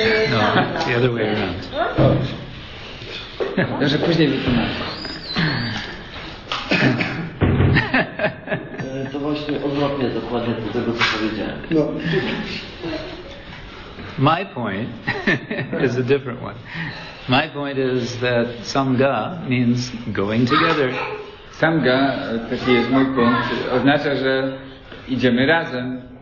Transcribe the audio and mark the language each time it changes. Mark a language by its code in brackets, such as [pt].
[en] No, it's the other way around. [pl] Może później wytłumaczę. To właśnie odwrotnie dokładnie do tego, co powiedziałem. [en] No. My point is a different one. My point is that sangha means going together. [pl] Sangha, taki jest mój punkt, oznacza, że idziemy razem.